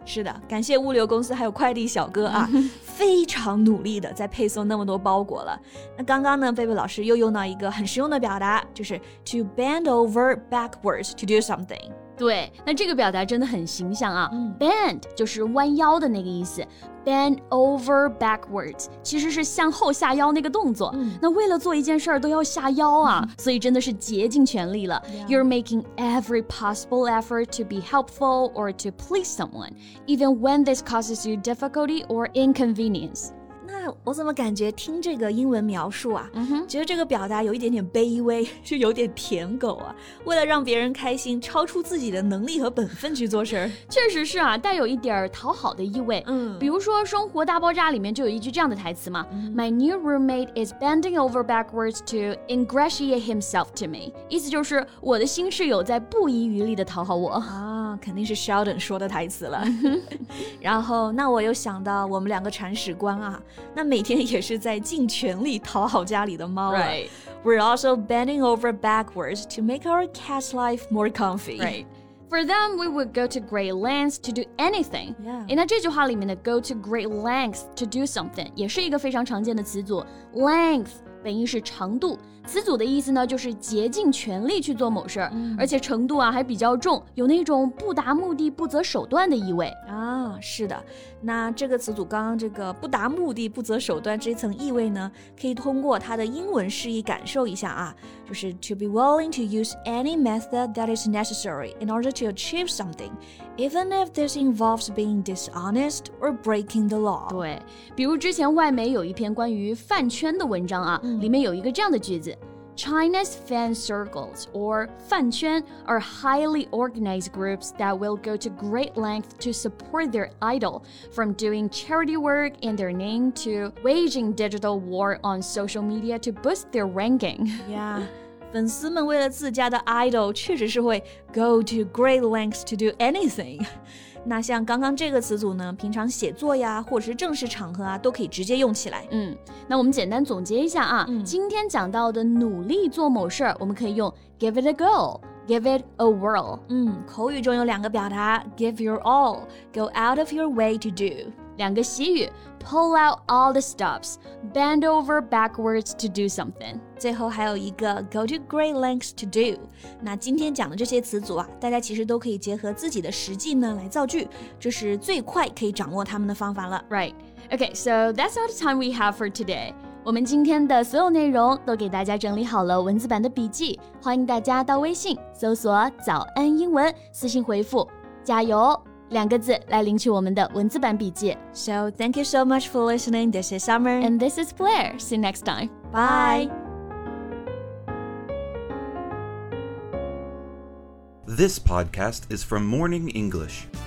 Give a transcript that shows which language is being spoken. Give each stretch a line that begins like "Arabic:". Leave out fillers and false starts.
Chinese: 是的，感谢物流公司还有快递小哥啊，非常努力的在配送那么多包裹了。那刚刚呢，贝贝老师又用到一个很实用的表达，就是
English: to bend over backwards to do something.
Chinese: 对，那这个表达真的很形象啊、嗯、 Bend 就是弯腰的那个意思
English: Bend over backwards
Chinese: 其实是向后下腰那个动作、嗯、那为了做一件事儿都要下腰啊、嗯、所以真的是竭尽全力了、嗯、
English: You're making every possible effort to be helpful or to please someone Even when this causes you difficulty or inconvenience
Chinese: 那我怎么感觉听这个英文描述啊、嗯、觉得这个表达有一点点卑微就有点舔狗啊为了让别人开心超出自己的能力和本分去做事确实是啊带有一点讨好的意味、嗯、比如说生活大爆炸里面就有一句这样的台词嘛、嗯、
English: My new roommate is bending over backwards to ingratiate himself to me
Chinese: 意思就是我的新室友在不遗余力的讨好我啊肯定是 Sheldon 说的台词了然后那我又想到我们两个铲屎官啊那每天也是在尽全力讨好家里的猫了、
English: right. We're also bending over backwards to make our cat's life more comfy、 right. For them, we would go to great lengths to do anything、 yeah.
Chinese: 那这句话里面的
English: go to great lengths to do something
Chinese: 也是一个非常常见的词组 Length本意是长度，词组的意思呢，就是竭尽全力去做某事儿、嗯，而且程度啊还比较重，有那种不达目的不择手段的意味啊。是的，那这个词组刚刚这个不达目的不择手段这层意味呢，可以通过它的英文释义感受一下啊，就是
English: to be willing to use any method that is necessary in order to achieve something, even if this involves being dishonest or breaking the law。
Chinese: 对，比如之前外媒有一篇关于饭圈的文章啊。
English: 里面有一个这样的句子 China's fan circles or
Chinese: 饭圈
English: are highly organized groups that will go to great lengths to support their idol from doing charity work in their name to waging digital war on social media to boost their ranking Yeah,
Chinese: 粉丝们为了自家的 idol 确实是会
English: go to great lengths to do anything
Chinese: 那像刚刚这个词组呢平常写作呀或者是正式场合啊都可以直接用起来嗯那我们简单总结一下啊、嗯、今天讲到的努力做某事我们可以用
English: give it a go give it a whirl
Chinese: 嗯口语中有两个表达
English: give your all go out of your way to do
Chinese: 两个习语
English: pull out all the stops bend over backwards to do something
Chinese: 最后还有一个
English: go to great lengths to do
Chinese: 那今天讲的这些词组啊大家其实都可以结合自己的实际呢来造句这是最快可以掌握他们的方法了
English: Right Okay, so that's all the time we have for today
Chinese: 我们今天的所有内容都给大家整理好了文字版的笔记欢迎大家到微信搜索早安英文私信回复加油两个字来领取我们的文字版笔记
English: So thank you so much for listening This is Summer And this is Blair See you next time Bye This podcast is from Morning English